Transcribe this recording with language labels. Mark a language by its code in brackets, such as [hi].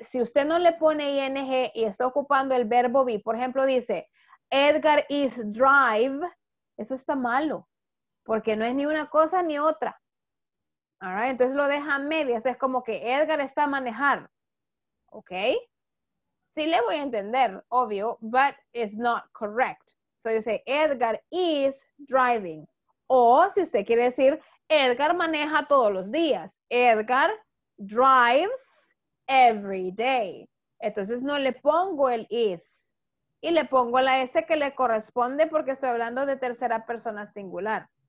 [es] Si usted no le pone ing y está ocupando el verbo be, por ejemplo, dice, [en] Edgar is drive, [es] eso está malo, porque no es ni una cosa ni otra. [en] All right. [es] Entonces lo deja a medias, es como que Edgar está a manejar. ¿Ok? Sí le voy a entender, obvio, [en] but it's not correct. So you say, Edgar is driving. [es] O si usted quiere decir, Edgar maneja todos los días. [en] Edgar drives every day. [es] Entonces no le pongo el is y le pongo la s que le corresponde porque estoy hablando de tercera persona singular.